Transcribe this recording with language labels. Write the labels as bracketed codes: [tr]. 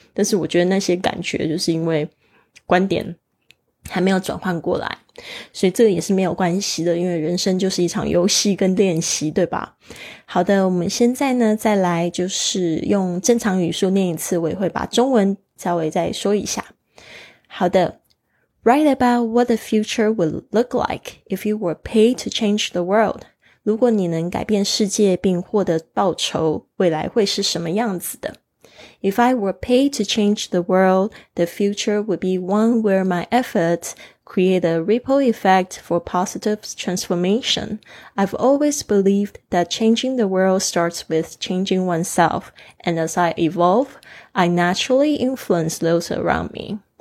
[zh] 但是我觉得那些感觉就是因为观点还没有转换过来，所以这个也是没有关系的，因为人生就是一场游戏跟练习，对吧？好的，我们现在呢再来就是用正常语速念一次，我也会把中文稍微再说一下。 [en] 好的， Write about what the future would look like if you were paid to change the world. [zh] 如果你能改变世界并获得报酬，未来会是什么样子的？ [en] If I were paid to change the world, the future would be one where my efforts create a ripple effect for positive transformation. I've always believed that changing the world starts with changing oneself, and as I evolve, I naturally influence those around me.